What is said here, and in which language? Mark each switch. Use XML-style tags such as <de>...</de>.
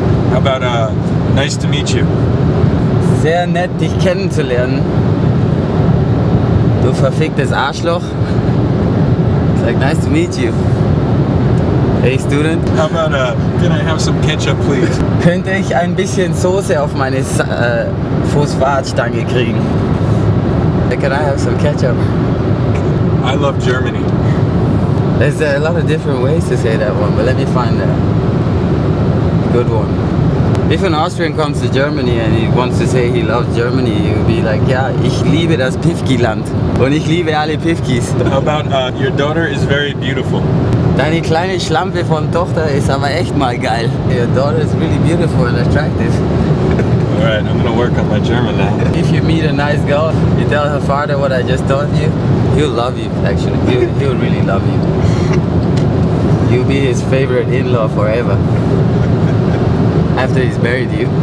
<en>How about, nice to meet you?</en> <de>Sehr nett, dich kennenzulernen. Du verficktes Arschloch.</de> <en>It's like, nice to meet you. Hey, student. How about, can I have some ketchup, please?</en> <de>Könnte ich ein bisschen Soße auf meine Phosphatstange kriegen?</de> <en>Can I have some ketchup? I love Germany. There's a lot of different ways to say that one, but let me find a good one. If an Austrian comes to Germany and he wants to say he loves Germany, he would be like, yeah,</en> <de>ich liebe das Pfiffkiland. Und ich liebe alle Pfiffkis.</de> <en>How about, your daughter is very beautiful?</en> <de>Deine kleine Schlampe von Tochter ist aber echt mal geil.</de> <en>Your daughter is really beautiful and attractive. Alright, I'm gonna work on my German now. If you meet a nice girl, you tell her father what I just told you, he'll love you, actually. He'll really love you. You'll be his favorite in-law forever. After he's married you.</en>